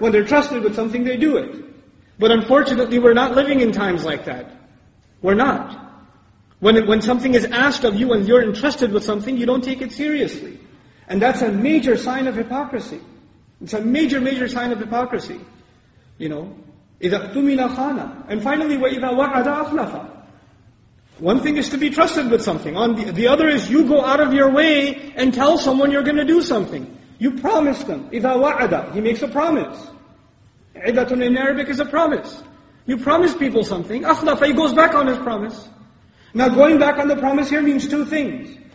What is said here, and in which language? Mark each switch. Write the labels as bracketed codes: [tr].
[en] When they're trusted with something, they do it. But unfortunately, we're not living in times like that. We're not. When something is asked of you, and you're entrusted with something, you don't take it seriously. And that's a major sign of hypocrisy. It's a major, major sign of hypocrisy. You know? [ar] إِذَا اَقْتُمِنَ خَانَ. [en] And finally, [ar] وَإِذَا وَعَدَ أَخْلَفَ. [en] One thing is to be trusted with something. On the other is you go out of your way and tell someone you're going to do something. You promise them. [ar] إِذَا وَعَدَ. [en] He makes a promise. عِدَةٌ in Arabic is a promise. You promise people something. [ar] أَخْلَفَ. [en] He goes back on his promise. Now going back on the promise here means two things.